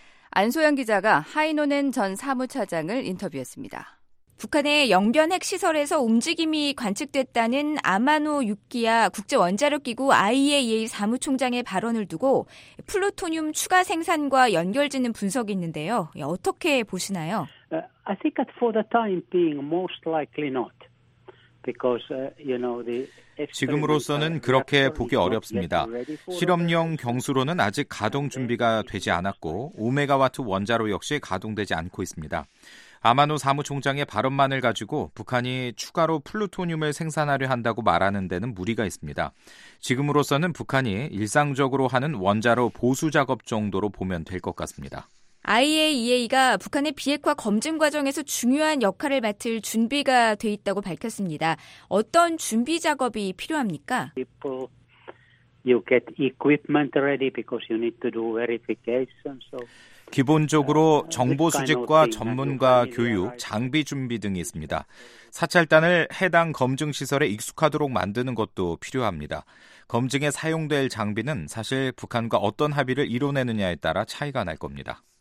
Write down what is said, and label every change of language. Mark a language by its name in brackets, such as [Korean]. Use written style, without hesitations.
[Korean] 안소영 기자가 하이노넨 전 사무차장을 인터뷰했습니다. 북한의 영변 핵시설에서 움직임이 관측됐다는 아마노 유키야 국제원자력기구 IAEA 사무총장의 발언을 두고 플루토늄 추가 생산과 연결짓는 분석이 있는데요. 어떻게 보시나요? [English] I think that for the time being, most likely not. Because, you know, the [Korean] 지금으로서는 그렇게 보기 어렵습니다. 실험용 경수로는 아직 가동 준비가 되지 않았고 5메가와트 원자로 역시 가동되지 않고 있습니다. 아마노 사무총장의 발언만을 가지고 북한이 추가로 플루토늄을 생산하려 한다고 말하는 데는 무리가 있습니다. 지금으로서는 북한이 일상적으로 하는 원자로 보수 작업 정도로 보면 될 것 같습니다. IAEA가 북한의 비핵화 검증 과정에서 중요한 역할을 맡을 준비가 돼 있다고 밝혔습니다. 어떤 준비 작업이 필요합니까? [English] You get equipment ready because you need to do verification. So [Korean] 기본적으로 정보 수집과 전문가 교육, 장비 준비 등이 있습니다. 사찰단을 해당 검증 시설에 익숙하도록 만드는 것도 필요합니다. 검증에 사용될 장비는 사실 북한과 어떤 합의를 이뤄내느냐에 따라 차이가 날 겁니다.